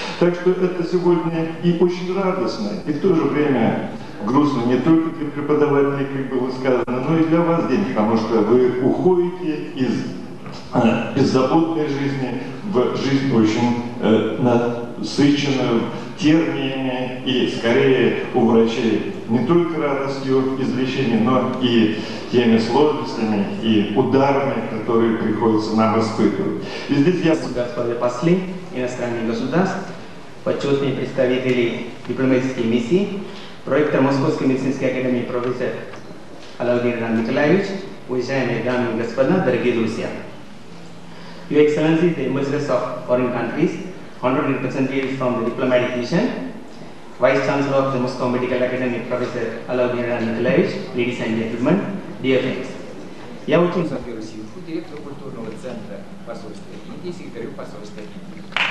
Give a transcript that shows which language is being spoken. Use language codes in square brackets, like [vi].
[ru] Так что это сегодня и очень радостно, и в то же время грустно не только для преподавателей, как было сказано, но и для вас день, потому что вы уходите из беззаботной жизни в жизнь очень насыщенную терниями и скорее у врачей не только радостью излечения, но и теми сложностями и ударами, которые приходится нам испытывать. И здесь я... Господа послы иностранных государств, почетные представители дипломатической миссии, проректор Московской медицинской академии профессор Алаудин Иван Николаевич, уважаемые дамы и господа, дорогие друзья. [en] Your Excellency, the Ambassadors of Foreign Countries, Honorable Representatives from the Diplomatic Mission, Vice Chancellor of the Moscow Medical Academy, Professor Alaudin Iran Nikolaevich, Ladies and Gentlemen, Dear Friends. [ru] Я очень благодарю вас, директор культурного центра посольства Индии, секретарю посольства Индии.